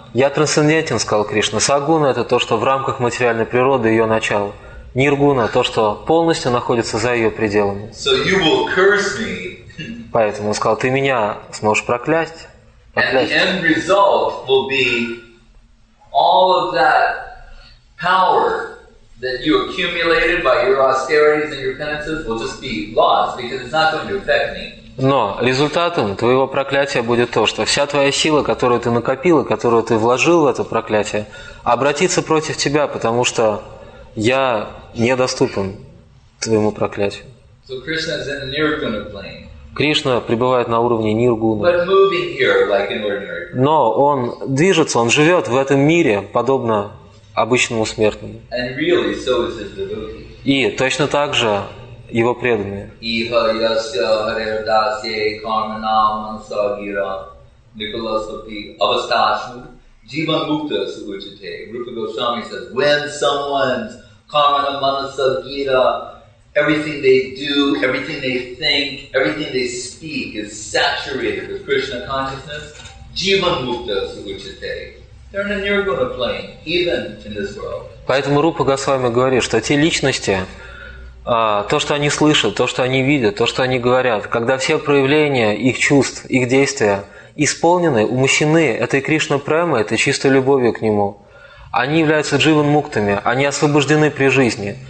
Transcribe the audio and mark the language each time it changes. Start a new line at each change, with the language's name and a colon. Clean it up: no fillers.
Russian: Я трансцендентен, сказал Кришна. Сагуна – это то, что в рамках материальной природы, ее начало. Ниргуна – то, что полностью находится за ее пределами.
English: So you will curse me.
Russian: Поэтому он сказал, ты меня сможешь проклясть.
English: And the end result will be all of that power that you accumulated by your austerities and your penances will just be lost because it's not going to affect me.
Russian: Но результатом твоего проклятия будет то, что вся твоя сила, которую ты накопил, которую ты вложил в это проклятие, обратится против тебя, потому что я недоступен твоему проклятию.
English: So Krishna is in the nirguna plane.
Russian: Кришна пребывает на уровне ниргуны.
English: But moving here, like an ordinary person.
Russian: Но он движется, он живет в этом мире, подобно обычному смертному.
English: And really, so is his devotee.
Russian: И точно так же его преданные.
Sanskrit: Ива Яся Харир Дасе Карманам Сагира Николасопи Авасташу Джива Мукта Сугучите.
English: Рупа Госвами says, when someone's
Sanskrit: Кармана Манасагира,
English: everything they do, everything they think, everything they speak is saturated with Krishna consciousness,
Sanskrit: Джива Мукта Сугучите.
English: They're in a nirguna plane, even in this world.
Russian: Поэтому Рупа Госвами говорит, что те личности, то, что они слышат, то, что они видят, то, что они говорят, когда все проявления их чувств, их действия исполнены, умощены этой Кришна-премой, этой чистой любовью к нему, они являются дживан-муктами, они освобождены при жизни.